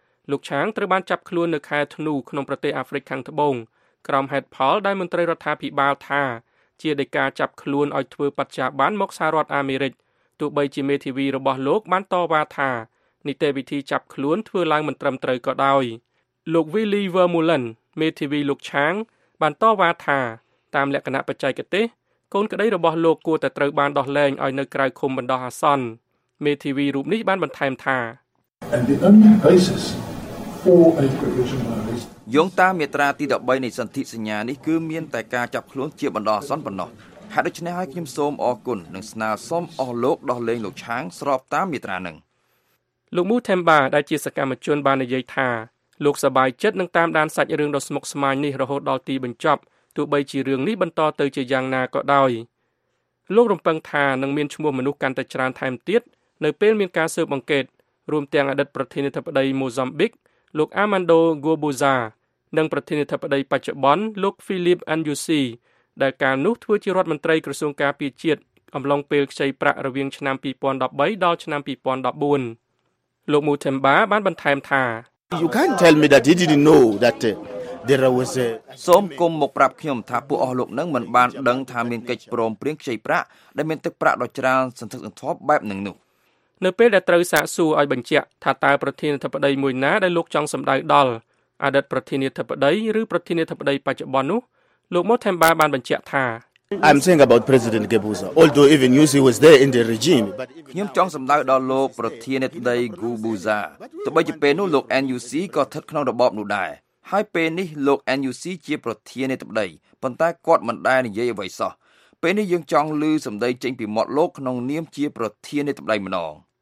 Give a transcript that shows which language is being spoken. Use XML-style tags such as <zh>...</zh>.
<km>លោកឆាងត្រូវបានចាប់ខ្លួននៅខែធ្នូក្នុងប្រទេសអាហ្វ្រិកខាងត្បូងក្រោមហេតុផលដែលមន្ត្រីរដ្ឋាភិបាលថាជាដីកាចាប់ខ្លួនឲ្យធ្វើបច្ចាបានមកសហរដ្ឋអាមេរិកទោះបីជាមេធាវីរបស់លោកបានតវ៉ាថានីតិវិធីចាប់ខ្លួនធ្វើឡើងមិនត្រឹមត្រូវក៏ដោយលោក Willie Vermeulen មេធាវីលោកឆាងបានតវ៉ាថាតាមលក្ខណៈបច្ចេកទេសកូនក្តីរបស់លោកគួរតែត្រូវបានដោះលែងឲ្យនៅក្រៅឃុំបណ្ដោះអាសន្នមេធាវីរូបនេះបានបន្ថែមថា</km> <en>and the only basis for a provisional</en> <km>release យោងតាមមាត្រាទី13នៃសន្ធិសញ្ញានេះគឺមានតែការចាប់ខ្លួនជាបណ្ដោះអាសន្នប៉ុណ្ណោះហេតុដូច្នេះហើយខ្ញុំសូមអរគុណនិងស្នើសុំអស់លោកដោះលែងលោកឆាងស្របតាមមាត្រានឹង លោក Mutemba ដែលជាសកម្មជនបាននិយាយថាលោកសប្បាយចិត្តនឹងតាមដានសាច់រឿងដ៏ស្មុគស្មាញនេះរហូតដល់ទីបញ្ចប់ទោះបីជារឿងនេះបន្តទៅជាយ៉ាងណាក៏ដោយ លោករំពឹងថានឹងមានឈ្មោះមនុស្សកាន់តែច្រើនថែមទៀតនៅពេលមានការស៊ើបអង្កេតរួមទាំងអតីតប្រធានាធិបតីម៉ូហ្សាំប៊ិកលោកអាម៉ាន់ដូហ្គូបូសានិងប្រធានាធិបតីបច្ចុប្បន្នលោកហ្វីលីបអាន់យូស៊ីដែលកាលនោះធ្វើជារដ្ឋមន្ត្រីក្រសួងការពារជាតិអំឡុងពេលខ្ចីប្រាក់រវាងឆ្នាំ2013ដល់ឆ្នាំ2014លោក Mutemba បានបន្ថែមថា</km> <en>You can't tell me that he didn't know that there was a</en> <km>សូមគុំមកប្រាប់ខ្ញុំថាពួកអស់លោកនឹងមិនបានដឹងថាមានកិច្ចព្រមព្រៀងខ្ចីប្រាក់ដែលមានទឹកប្រាក់ដ៏ច្រើនសន្ធឹកសន្ធាប់បែបនឹងនោះ នៅពេលដែលត្រូវសាកសួរឲ្យបញ្ជាក់ថាតើប្រធានាធិបតីមួយណាដែលលោកចង់សម្ដៅដល់អតីតប្រធានាធិបតីឬប្រធានាធិបតីបច្ចុប្បន្ននោះលោក Mutemba បានបញ្ជាក់ថា</km> <en>I'm saying about President Gebuza although even you see was there in the regime but</en> <km>ខ្ញុំចង់សម្ដៅដល់លោកប្រធានាធិបតី Gebuza ទោះបីជាពេលនោះលោក NUC ក៏ស្ថិតក្នុងរបបនោះដែរហើយពេលនេះលោក NUC ជាប្រធានាធិបតីប៉ុន្តែគាត់មិនដែរនិយាយអ្វីសោះ ពេលនេះយើងចង់ឮសម្ដីចេញពីមាត់លោកក្នុងនាមជាប្រធាននៃតំបន់ម្ដង</km>